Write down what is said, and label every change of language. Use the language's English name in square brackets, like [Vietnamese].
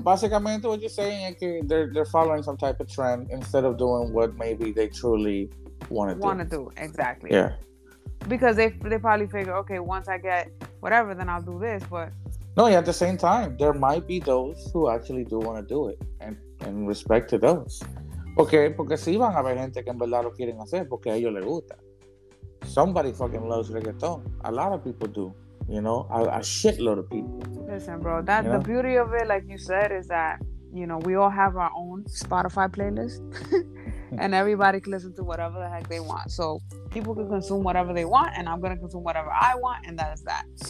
[English] basically what you're saying is they're following some type of trend instead of doing what maybe they truly want to do. Exactly. Yeah, because they probably figure, okay, once I get whatever, then I'll do this. But no, at the same time, there might be those who actually do want to do it, and respect to those. [Spanish] Okay, porque si van a haber gente que en verdad lo quieren hacer porque a ellos les gusta. [English] Somebody fucking loves reggaeton. A lot of people do, you know, a shitload of people. Listen, bro, that, you know? The beauty of it, like you said, is that, you know, we all have our own Spotify playlist. And everybody can listen to whatever the heck they want. So people can consume whatever they want, and I'm going to consume whatever I want, and that is that.